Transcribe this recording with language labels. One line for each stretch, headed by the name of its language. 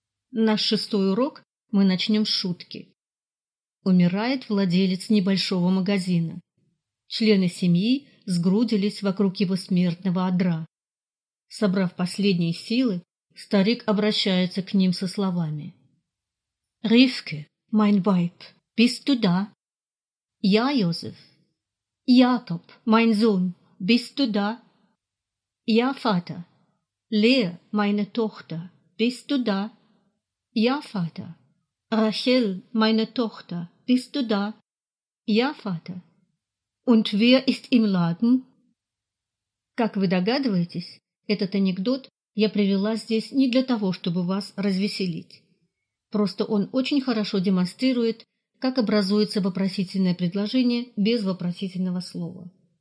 Russian: Наш шестой урок мы начнем с шутки. Умирает владелец небольшого магазина. Члены семьи сгрудились вокруг его смертного одра. Собрав последние силы, старик обращается к ним со словами.
German: «Ривке, mein Weib, bist du da?» «Я, Йозеф». «Якоб, mein Sohn, bist du da?» «Я, Vater». Lea, meine Tochter, bist du da? Ja, Vater. Rachel, meine Tochter, bist du da? Ja, Vater. Und wer ist im Laden?
Russian: Как вы догадываетесь, этот анекдот я привела здесь не для того, чтобы вас развеселить. Просто он очень хорошо демонстрирует, как образуется вопросительное предложение без вопросительного слова.